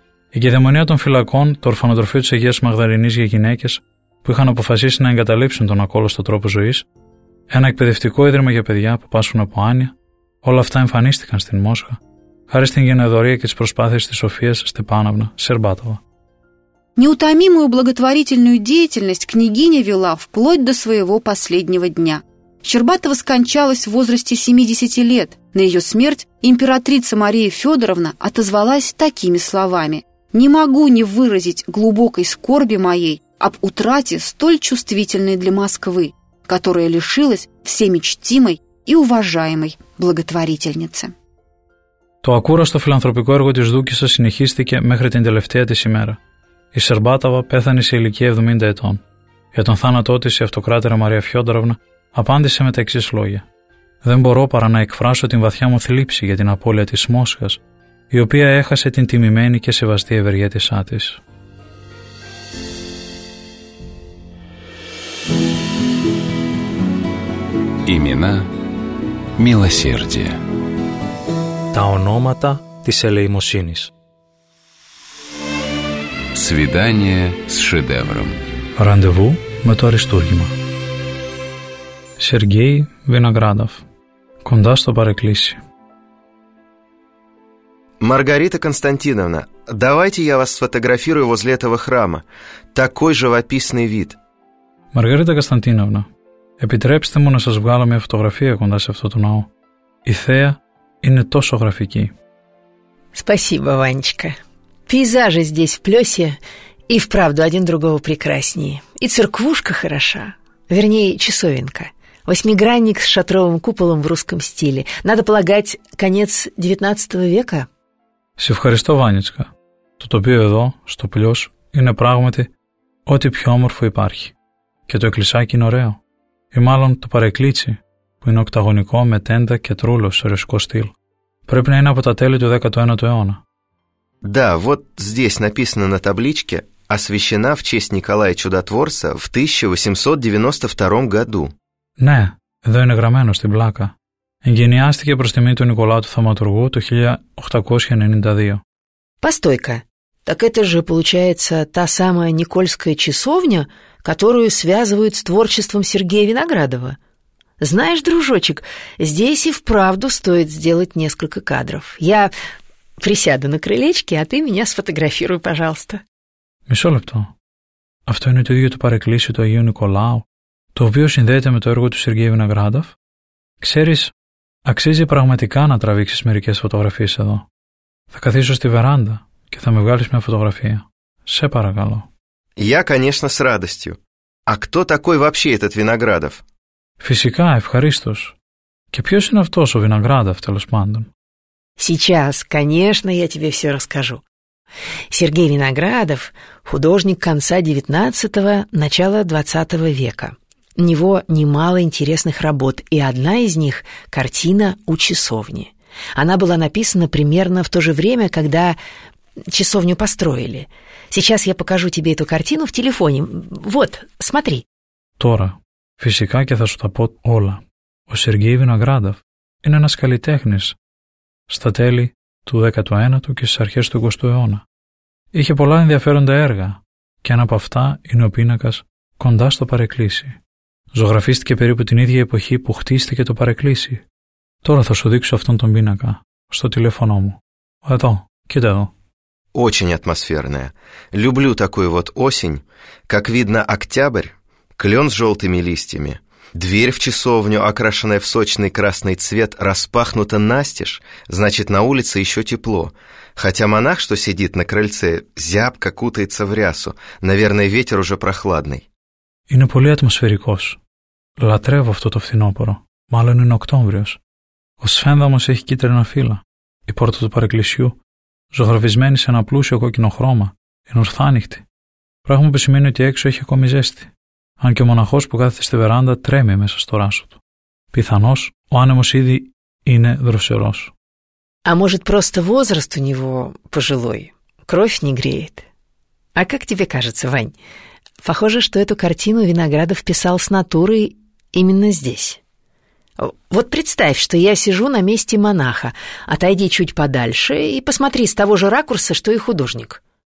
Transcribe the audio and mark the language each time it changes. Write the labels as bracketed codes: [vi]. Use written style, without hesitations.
[el] Η κεδαιμονία των φυλακών, το ορφανοτροφείο της Αγίας Μαγδαληνής για γυναίκες, που είχαν αποφασίσει να εγκαταλείψουν τον ακόλουθο τρόπο ζωής, ένα εκπαιδευτικό ίδρυμα για παιδιά που πάσχουν από άνοια, όλα αυτά εμφανίστηκαν στην Μόσχα, χάρη στην γενναιοδωρία και τις προσπάθειες της Σοφίας Στεπάνωνα Σερμπάτοφ. [ru] Неутомимую благотворительную деятельность княгиня вела вплоть до своего последнего дня. Щербатова скончалась в возрасте 70 лет. На ее смерть императрица Мария Федоровна отозвалась такими словами: «Не могу не выразить глубокой скорби моей об утрате столь чувствительной для Москвы, которая лишилась всеми чтимой и уважаемой благотворительницы». [el] Το ακούραστο φιλανθρωπικό έργο της Δούκισσας συνεχίστηκε μέχρι την τελευταία της ημέρα. Η Σερμπάτοφ πέθανε σε ηλικία 70 ετών. Για τον θάνατό της η αυτοκράτερα Μαρία Φιόντοροβνα απάντησε με τα εξής λόγια: «Δεν μπορώ παρά να εκφράσω την βαθιά μου θλίψη για την απώλεια της Μόσχας, η οποία έχασε την τιμημένη και σεβαστή ευεργέτησά της». [ru] Ημινά Μιλοσέρδια. [el] Τα ονόματα της ελεημοσύνης. [ru] Свидание с шедевром. [el] Ραντεβού με το αριστούργημα. Σεργέη Βιναγκράντοφ. Κοντά στο παρεκκλήσι. [ru] Маргарита Константиновна, давайте я вас сфотографирую возле этого храма. Такой живописный вид. [el] Маргарита Константиновна, επιτρέψτε μου να σας βγάλω μια φωτογραφία κοντά σε αυτό το ναό. Η θέα είναι τόσο γραφική. [ru] Спасибо, Ванечка. Пейзажи здесь в Плёсе и вправду один другого прекраснее. И церквушка хороша, вернее, часовенка. Восьмигранник с шатровым куполом в русском стиле. Надо полагать, конец 19 века. [el] Σε ευχαριστώ, Ванечка. Το τοπίο εδώ, στο Плёс, είναι πράγματι ό,τι πιο όμορφο υπάρχει. Και το εκκλησάκι είναι ωραίο. Ή μάλλον το παρεκκλήτσι, που είναι οκταγωνικό με τέντα και τρούλο σε ρωσικό στυλ. Πρέπει να είναι από τα τέλη του 19ου αιώνα. [ru] Да, вот здесь написано на табличке «Освящена в честь Николая Чудотворца в 1892 году». [el] Ναι, εδώ είναι γραμμένο στην πλάκα. Εγγενιάστηκε προς τιμή του Νικολάου του Θαυματουργού το 1892. [ru] Постой-ка, так это же получается та самая Никольская часовня, которую связывают с творчеством Сергея Виноградова. Знаешь, дружочек, здесь и вправду стоит сделать несколько кадров. Я присяду на крылечке, а ты меня сфотографируй, пожалуйста. [el] Μισό λεπτό. Αυτό είναι το ίδιο το παρεκκλήσιο του Αγίου Νικολάου, το οποίο συνδέεται με το έργο του Σεργέη Βιναγκράντοφ. Ξέρεις, αξίζει πραγματικά να τραβήξεις μερικές φωτογραφίες εδώ. Θα καθίσω στη βεράντα και θα με βγάλεις μια φωτογραφία. Σε παρακαλώ. [ru] Я, конечно, с радостью. А кто такой вообще этот Виноградов? [el] Φυσικά, ευχαρίστως. Και ποιος είναι αυτός ο Виноградов, τέλος πάντων? [ru] Сейчас, конечно, я тебе все расскажу. Сергей Виноградов – художник конца XIX – начала XX века. У него немало интересных работ, и одна из них – картина «У часовни». Она была написана примерно в то же время, когда часовню построили. Сейчас я покажу тебе эту картину в телефоне. Вот, смотри. [el] Тора, физика, я сейчас тебе скажу все. У Сергея Виноградова есть каллитехнис. Στα τέλη του 19ου και στις αρχές του 20ου αιώνα. Είχε πολλά ενδιαφέροντα έργα και ένα από αυτά είναι ο πίνακας κοντά στο παρεκκλήσι. Ζωγραφίστηκε περίπου την ίδια εποχή που χτίστηκε το παρεκκλήσι. Τώρα θα σου δείξω αυτόν τον πίνακα στο τηλέφωνο μου. Εδώ, κοίτα εδώ. [ru] Очень атмосферная. Люблю такую вот осень. Как видно, октябрь. Клён с жёлтыми листьями. Дверь в часовню, окрашенная в сочный красный цвет, распахнута настежь, значит, на улице еще тепло. Хотя монах, что сидит на крыльце, зябко кутается в рясу. Наверное, ветер уже прохладный. [el] Είναι πολύ ατμοσφαιρικός. Λατρεύω αυτό το φθινόπωρο. Μάλλον είναι Οκτώβριος. Ο σφένδαμος έχει κίτρινα φύλλα. Η πόρτα του παρεκκλησιού, ζωγραφισμένη σε ένα πλούσιο κόκκινο χρώμα, είναι ορθάνυχτη. Πράγμα που σημαίνει ότι έξω έχει ακόμη ζέστη. Αν και ο μοναχός που κάθεται στη βεράντα τρέμει μέσα στο ράσο του. Πιθανώς, ο άνεμος ήδη είναι δροσερός. [ru] А может просто возраст у него пожилой? Кровь не греет. А как тебе кажется, Вань? Похоже, что эту картину Виноградов писал с натурой именно здесь. Вот представь, что я сижу на месте монаха. Отойди чуть подальше и посмотри с того же ракурса, что и художник.